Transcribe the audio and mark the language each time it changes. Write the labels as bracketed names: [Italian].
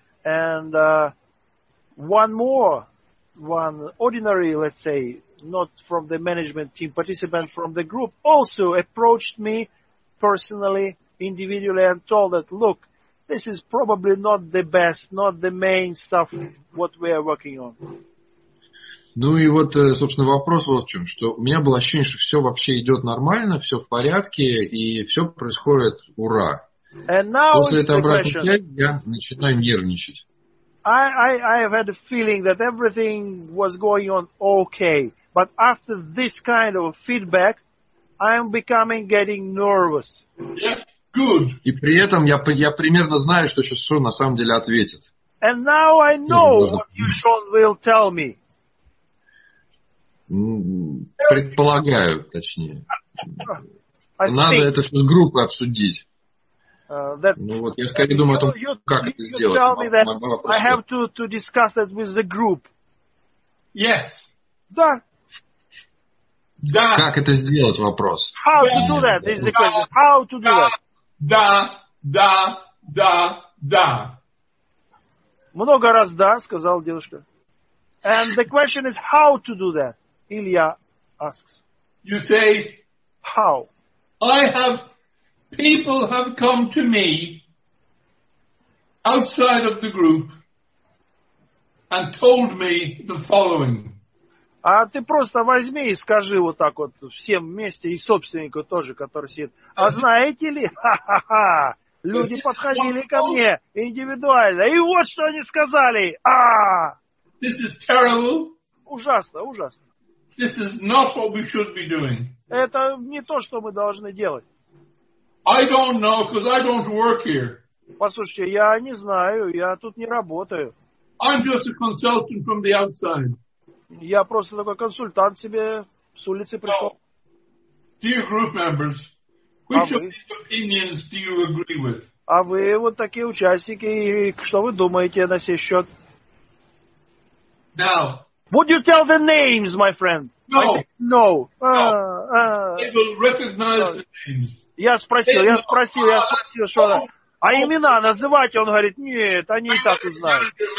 [English] And one more, one ordinary, let's say, not from the management team, participant from the group, also approached me personally, individually, and told that, look, this is probably not the best, not the main stuff, what we are working on. [Russian] Ну и вот, собственно, вопрос вот в чем, что у меня было ощущение, что все вообще идет нормально, все в порядке, и все происходит ура. [English] And now [Russian] после этой обратной связи я начинаю нервничать. [English] I have had a feeling that everything was going on okay, but after this kind of feedback, I'm becoming getting nervous. Yeah, good. [Russian] И при этом я примерно знаю, что сейчас Шон на самом деле ответит. [English] And now I know what you, Sean, will tell me. [Russian] Предполагаю, точнее. Надо это все с группой обсудить. Ну вот, я скорее думаю о том, как это сделать. [English] I have to discuss that with the group. Yes. [Russian] Да. Да. Как это сделать, вопрос. How to do that, this is the question. How to do that. Да, да, да, да. Много раз да, сказал девушка. [English] And the question is how to do that, Илья asks. You say, how? I have... People have come to me outside of the group and told me the following. [Russian] А ты просто возьми и скажи вот так вот всем вместе и собственнику тоже, который сидит. А знаете ли, ха-ха-ха, люди подходили ко мне индивидуально, и вот что они сказали. [English] This is terrible. [Russian] Ужасно, ужасно. [English] This is not what we should be doing. [Russian] Это не то, что мы должны делать. [English] I don't know, because I don't work here. [Russian] Послушайте, я не знаю, я тут не работаю. [English] I'm just a consultant from the outside. [Russian] Я просто такой консультант себе с улицы пришел. [English] Dear group members, which of these opinions do you agree with? [Russian] А вы вот такие участники, и что вы думаете на сей счет? [English] Now. Would you tell the names, my friend? No. No. They will recognize the names. [Russian] Я спросил, что она... А имена называть? Он говорит, нет, они и так узнают.